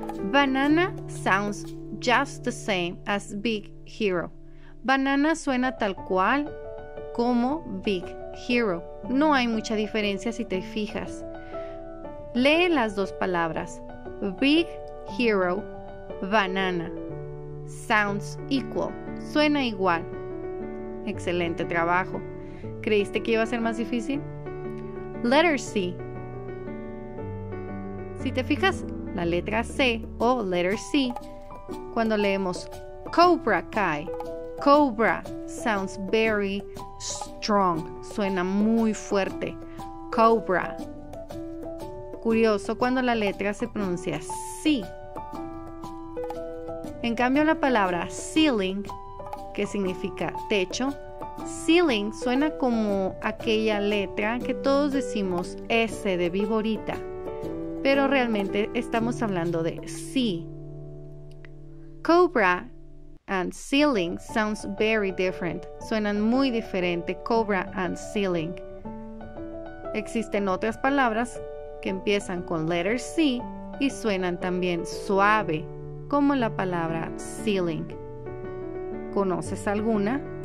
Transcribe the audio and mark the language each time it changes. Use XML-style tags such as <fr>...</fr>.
<en>Banana sounds just the same as Big Hero.</en> <es>Banana suena tal cual como Big Hero. No hay mucha diferencia si te fijas. Lee las dos palabras. Big Hero, banana.</es> <en>Sounds equal.</en> <es>Suena igual. Excelente trabajo. ¿Creíste que iba a ser más difícil?</es> <en>Letter C.</en> <es>Si te fijas, la letra C o</es> <en>letter C,</en> <es>cuando leemos Cobra Kai, Cobra</es> <en>sounds very strong.</en> <es>Suena muy fuerte. Cobra. Curioso cuando la letra se pronuncia C. En cambio, la palabra ceiling, que significa techo, ceiling suena como aquella letra que todos decimos S de viborita, pero realmente estamos hablando de C.</es> <en>Cobra and ceiling sounds very different.</en> <es>Suenan muy diferente, cobra and ceiling. Existen otras palabras que empiezan con</es> <en>letter C</en> <es>y suenan también suave, como la palabra ceiling. ¿Conoces alguna?</es>